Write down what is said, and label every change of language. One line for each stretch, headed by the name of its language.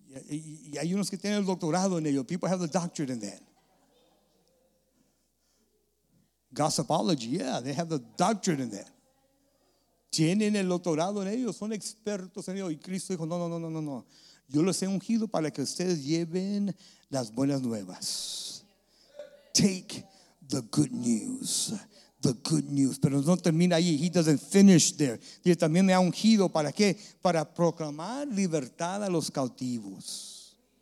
Spanish: Y hay unos que tienen el doctorado en ello.
English: People have the doctorate in that. Gossipology, yeah, they have the doctorate in that.
Spanish: Tienen el doctorado en ellos, son expertos en ello. Y Cristo dijo, no, no, no, no, no. Yo los he ungido para que ustedes lleven las buenas nuevas.
English: Take the good news. The good news.
Spanish: Pero no termina allí.
English: He doesn't finish there.
Spanish: Dice, también me ha ungido. ¿Para qué? Para proclamar libertad a los cautivos.